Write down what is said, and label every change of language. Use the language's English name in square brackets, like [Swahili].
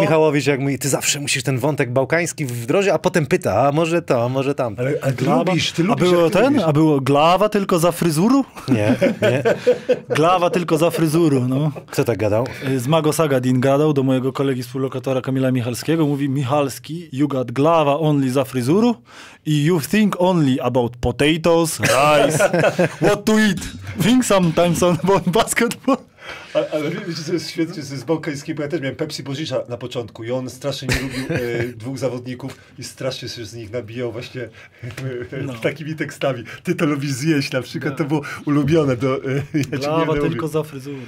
[Polish] Michałowicz, jak mówi, ty zawsze musisz ten wątek bałkański wdrożyć, a potem pyta, a może to, a może tam. A glawa, lubisz, ty lubisz. A było ten? A było glawa tylko za fryzuru? Nie. Glawa tylko za fryzuru, no. Kto tak gadał? Z Mago Sagadin gadał do mojego kolegi współlokatora Kamila Michalskiego. Michalskiego. Mówi: [English] Michalski, you got glava only [Croatian] za fryzuru [English] i you think only about potatoes, rice, what to eat. Think sometimes about basketball. [Polish] Ale wiecie, co jest świetnie, co jest bałkańskie, bo ja też miałem Pepsi Bożysza na początku i on strasznie nie lubił dwóch zawodników i strasznie się z nich nabijał właśnie no. takimi tekstami. Ty to lubisz zjeść na przykład, no. to było ulubione. Do, ja glawa nie tylko za fryzurę.